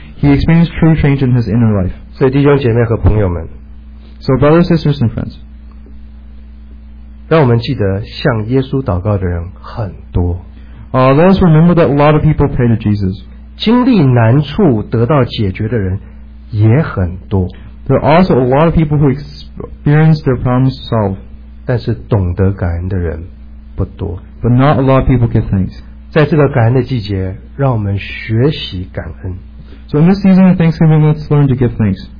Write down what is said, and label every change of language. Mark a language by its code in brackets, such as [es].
[en] He experienced true change in his inner life. [zh] 所以弟兄姐妹和朋友们, [en] So brothers, sisters, and friends, [zh] 让我们记得向耶稣祷告的人很多。 [en] Let us remember that a lot of people pray to Jesus. [zh] 经历难处得到解决的人也很多。 [en] There are also a lot of people who experience their problems solved. [zh] 但是懂得感恩的人不多。 [en] But not a lot of people give thanks. [zh] 在这个感恩的季节, 让我们学习感恩。 [en] So in this season of Thanksgiving, let's learn to give thanks.